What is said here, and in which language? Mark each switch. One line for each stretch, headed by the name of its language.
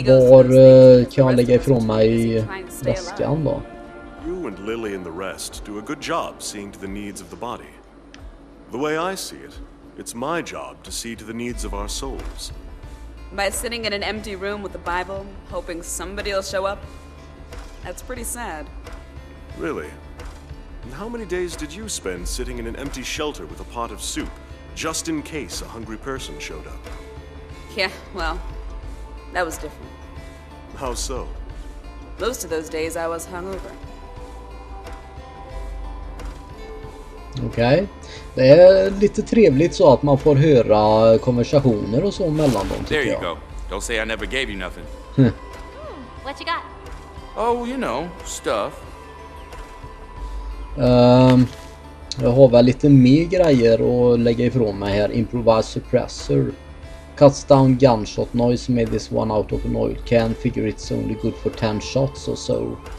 Swedish: Var kan jag lägga ifrån mig väskan då?
English: You and Lily and the rest do a good job seeing to the needs of the body. The way I see it, it's my job to see to the needs of our souls. By sitting in an empty room with the Bible, hoping somebody will show up? That's pretty sad. Really? And how many days did you spend sitting in an empty shelter with a pot of soup? Just in case a hungry person showed up. Yeah, well, that was different. How so? Most of those days I was hungover. Okay.
Swedish: Det är lite trevligt så att man får höra konversationer och så mellan dem, tycker jag.
English: There you go. Don't say I never gave you nothing. What you got? Oh, you know, stuff.
Swedish: Jag har väl lite mer grejer att lägga ifrån mig här.
English: Improvised suppressor. Cuts down gunshot noise, made this one out of an oil can. Figure it's only good for 10 shots or so.